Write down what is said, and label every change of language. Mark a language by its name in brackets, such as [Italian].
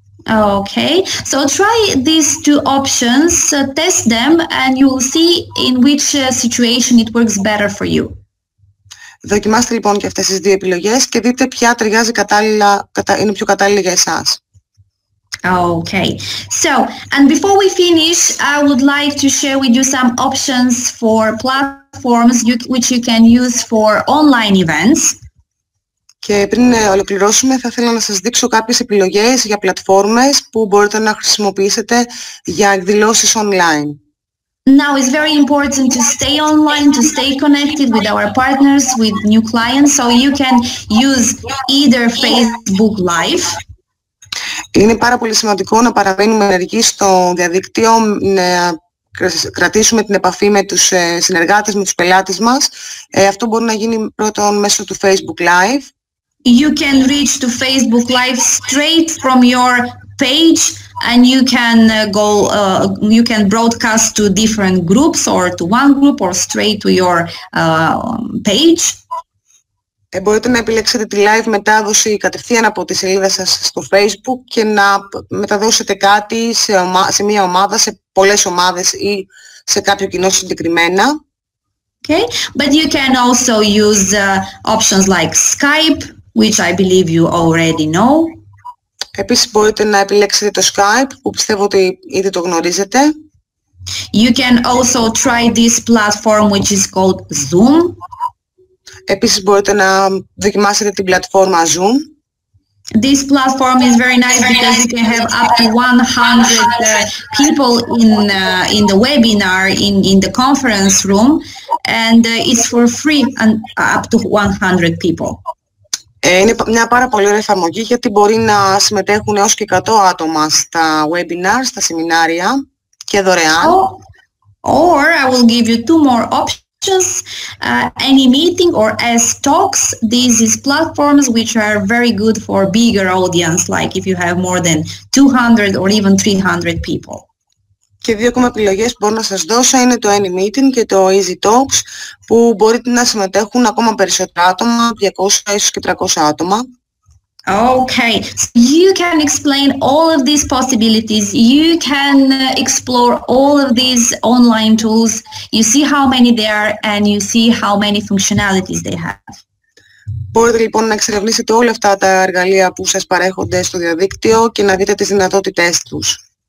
[English] Okay, so try these two options, test them and you will see in which situation it works better for you. [Greek] Δοκιμάστε λοιπόν και αυτές τις δύο επιλογές και δείτε ποια ταιριάζει κατάλληλα, είναι πιο κατάλληλη για εσάς. [English] Okay, so and before we finish, I would like to share with you some options for platforms which you can use for online events. [Greek] Και πριν ολοκληρώσουμε, θα ήθελα να σας δείξω κάποιες επιλογές για πλατφόρμες που μπορείτε να χρησιμοποιήσετε για εκδηλώσεις online. [English] Now it's very important to stay online, to stay connected with our partners, with new clients, so you can use either Facebook Live. [Greek] Είναι πάρα πολύ σημαντικό να παραμείνουμε ενεργοί στο διαδίκτυο, να κρατήσουμε την επαφή με τους συνεργάτες, με τους πελάτες μας. Αυτό μπορεί να γίνει πρώτον μέσω του Facebook Live. [English] You can reach to Facebook Live straight from your page and you can go, you can broadcast to different groups or to one group or straight to your page. [Greek] Μπορείτε να επιλέξετε τη live μετάδοση κατευθείαν από τη σελίδα σας στο Facebook και να μεταδώσετε κάτι σε μία ομάδα, σε πολλές ομάδες ή σε κάποιο κοινό συγκεκριμένα. [English] Okay, but you can also use options like Skype, which I believe you already know. [Greek] Επίσης μπορείτε να επιλέξετε το Skype, που πιστεύω ότι ήδη το γνωρίζετε. [English] You can also try this platform which is called Zoom. [Greek] Επίσης μπορείτε να δοκιμάσετε την πλατφόρμα Zoom. [English] This platform is very nice because you can have up to 100 people in the webinar, in the conference room, and it's for free and up to 100 people. [Greek] Είναι μια πάρα πολύ ωραία εφαρμογή γιατί μπορεί να συμμετέχουν έως και 100 άτομα στα webinar, στα σεμινάρια και δωρεάν. [English] Or I will give you two more options. Just any meeting or as talks, these is platforms which are very good for bigger audience, like if you have more than 200 or even 300 people. [Greek] Και δύο ακόμα επιλογές μπορώ να σας δώσω είναι το Any Meeting και το Easy Talks, που μπορείτε να συμμετέχουν ακόμα περισσότερα άτομα, 200 ίσως και 300 άτομα. [English] Okay, so you can explain all of these possibilities, you can explore all of these online tools, you see how many there are and you see how many functionalities they have. [Greek] Μπορείτε λοιπόν να εξερευνήσετε όλα αυτά τα εργαλεία που σας παρέχονται στο διαδίκτυο και να δείτε τις δυνατότητες τους.